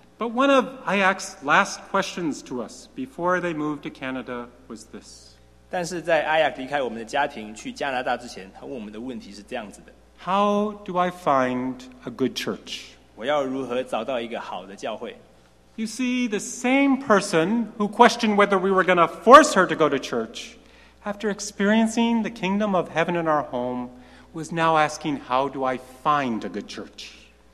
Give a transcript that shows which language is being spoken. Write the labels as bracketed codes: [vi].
[en] But one of Ayak's last questions to us before they moved to Canada was this. [zh] 但是在Ayak离开我们的家庭去加拿大之前，他问我们的问题是这样子的。 [en] How do I find a good church? [zh] 我要如何找到一个好的教会？ [en] You see, the same person who questioned whether we were going to force her to go to church, after experiencing the kingdom of heaven in our home, was now asking, how do I find a good church?